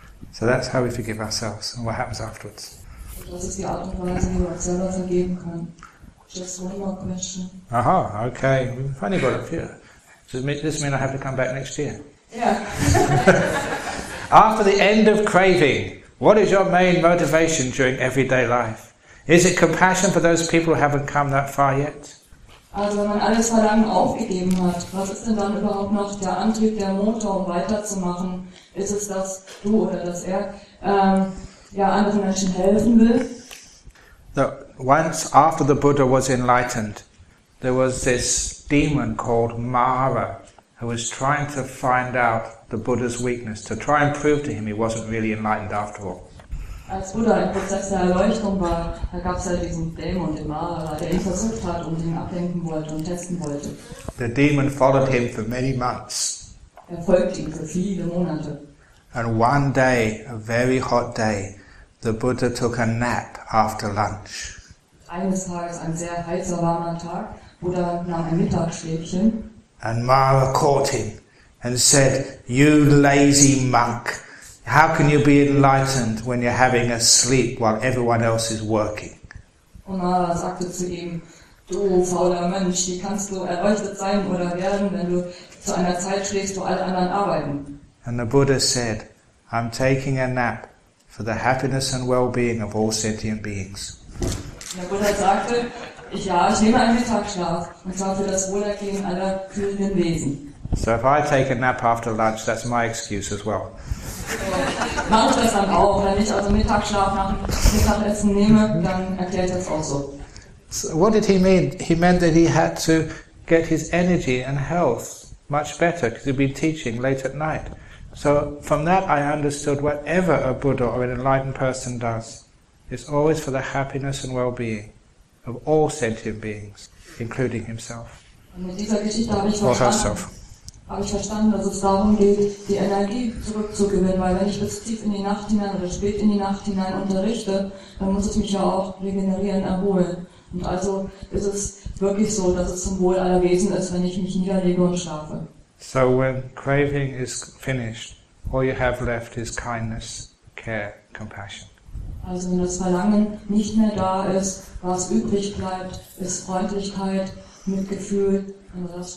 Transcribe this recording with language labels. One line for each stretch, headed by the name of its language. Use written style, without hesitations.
English: So that's how we forgive ourselves and what happens afterwards.
German: Und das ist die Art und Weise, wie wir uns selber vergeben können.
English: Just one more question. Aha, okay. We've finally got a few. Does this mean I have to come back next year? Yeah. After the end of craving, what is your main motivation during everyday life? Is it compassion for those people who haven't come that far yet?
German: Also, wenn man alles Verlangen aufgegeben hat, was ist denn dann überhaupt noch der Antrieb, der Motor, um weiterzumachen? Ist es, dass du oder dass er anderen Menschen helfen will?
English: Once after the Buddha was enlightened, there was this demon called Mara, who was trying to find out the Buddha's weakness, to try and prove to him he wasn't really enlightened after all.
German: Als Buddha im Prozess der Erleuchtung war, da gab es ja diesen Dämon, den Mara, der ihn versucht hat und ihn ablenken wollte und testen wollte.
English: The demon followed him for many months.
German: Er folgte ihm für viele Monate.
English: And one day, a very hot day, the Buddha took a nap after lunch.
German: Eines Tages, ein sehr heißer, warmer Tag, Buddha nahm ein Mittagsschläfchen.
English: And Mara caught him and said, "You lazy monk, how can you be enlightened when you're having a sleep while everyone else is working?"
German: Und Mara sagte zu ihm, "Du fauler Mensch, wie kannst du erleuchtet sein oder werden, wenn du zu einer Zeit schläfst, wo alle anderen arbeiten?"
English: And the Buddha said, "I'm taking a nap for the happiness and well-being of all sentient beings."
German: Der Buddha sagte, ich nehme einen Mittagsschlaf, und zwar für das Wohlergehen aller fühlenden Wesen.
English: So if I take a nap after lunch, that's my excuse as well.
German: So, mache ich das dann auch, wenn ich also Mittagsschlaf nach Mittagessen nehme, dann erkläre ich das auch so.
English: So what did he mean? He meant that he had to get his energy and health much better, because he'd been teaching late at night. So from that I understood whatever a Buddha or an enlightened person does, is always for the happiness and well-being of all sentient beings, including himself.
German: Und mit dieser Geschichte habe ich verstanden, dass es darum geht, die Energie zurückzugewinnen, weil wenn ich bis tief in die Nacht hinein oder spät in die Nacht hinein unterrichte, dann muss ich mich ja auch regenerieren, erholen. Und also ist es wirklich so, dass es zum Wohl aller Wesen ist, wenn ich mich niederlege und schlafe.
English: So when craving is finished, all you have left is kindness, care, compassion.
German: Also wenn das Verlangen nicht mehr da ist, was übrig bleibt, ist Freundlichkeit, Mitgefühl und das